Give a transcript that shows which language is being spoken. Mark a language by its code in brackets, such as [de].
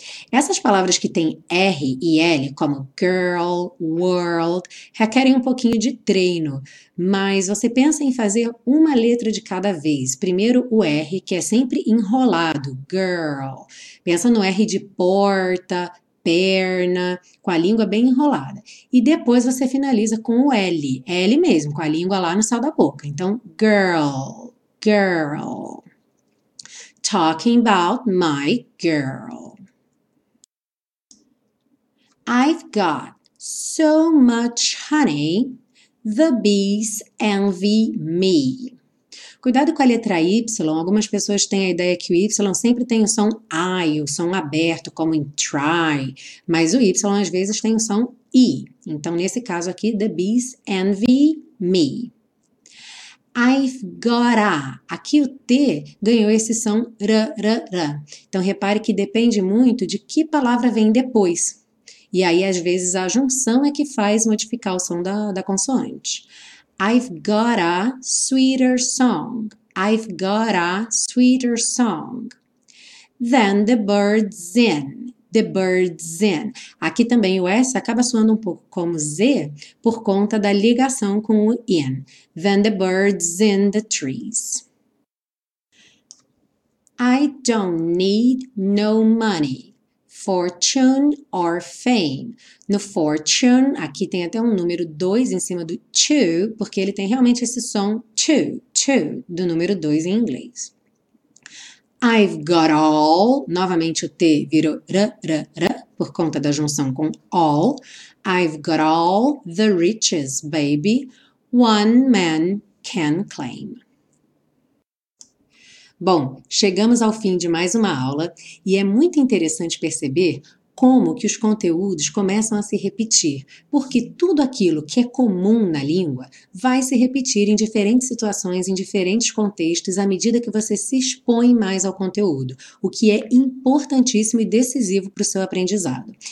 [pt] Essas palavras que têm R e L, como girl, world, requerem um pouquinho de treino, mas você pensa em fazer uma letra de cada vez. Primeiro o R, que é sempre enrolado, girl. Pensa no R de porta, perna, com a língua bem enrolada. E depois você finaliza com o L, L mesmo, com a língua lá no céu da boca. Então, girl, girl. [en] Talking about my girl. I've got So much honey, the bees envy me. [pt] Cuidado com a letra Y, algumas pessoas têm a ideia que o Y sempre tem o som I, o som aberto, como em try, mas o Y às vezes tem o som I. Então, nesse caso aqui, [en] the bees envy me. I've gotta. [pt] Aqui o T ganhou esse som r, r, r. Então, repare que depende muito de que palavra vem depois. E aí, às vezes, a junção é que faz modificar o som da consoante. [en] I've got a sweeter song. I've got a sweeter song. Then the bird's in. The bird's in. [pt] Aqui também o S acaba soando um pouco como Z por conta da ligação com o in. [en] Then the bird's in the trees. I don't need no money. Fortune or fame. [pt] No fortune, aqui tem até um número 2 em cima do to, porque ele tem realmente esse som to, to, do número 2 em inglês. [en] I've got all, [pt] novamente o T virou r, r, r, por conta da junção com all. [en] I've got all the riches, baby, one man can claim. [pt] Bom, chegamos ao fim de mais uma aula e é muito interessante perceber como que os conteúdos começam a se repetir, porque tudo aquilo que é comum na língua vai se repetir em diferentes situações, em diferentes contextos, à medida que você se expõe mais ao conteúdo, o que é importantíssimo e decisivo para o seu aprendizado.